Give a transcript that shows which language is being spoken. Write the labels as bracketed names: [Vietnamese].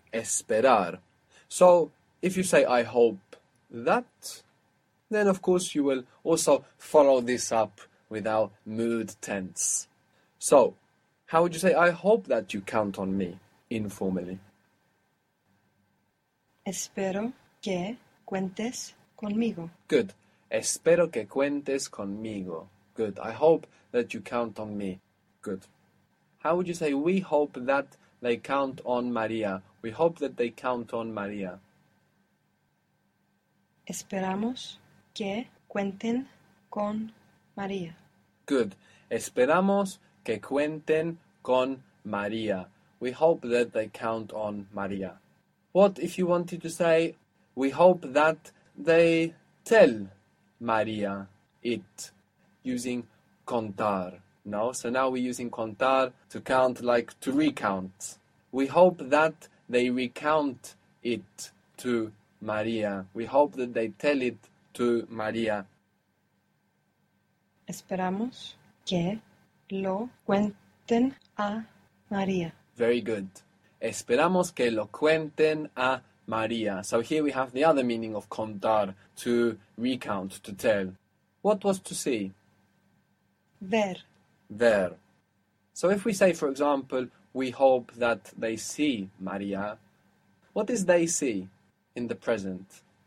[Spanish] Esperar. [English] So if you say, I hope that, then of course you will also follow this up with our mood tense. So, how would you say, I hope that you count on me, informally? [Spanish] Espero que cuentes conmigo. [English] Good. [Spanish] Espero que cuentes conmigo. [English] Good. I hope that you count on me. Good. How would you say, we hope that they count on Maria? We hope that they count on Maria. [Spanish] Esperamos que cuenten con María. [English] Good. [Spanish] Esperamos que cuenten con María. [English] We hope that they count on María. What if you wanted to say, we hope that they tell María it using contar? No? So now we're using contar to count, like to recount. We hope that they recount it to María. We hope that they tell it to María. [Spanish] Esperamos que lo cuenten a María. [English] Very good. [Spanish] Esperamos que lo cuenten a María. [English] So here we have the other meaning of contar, to recount, to tell. What was to see? [Spanish] Ver. Ver. [English] So if we say, for example, we hope that they see María, what is they see in the present?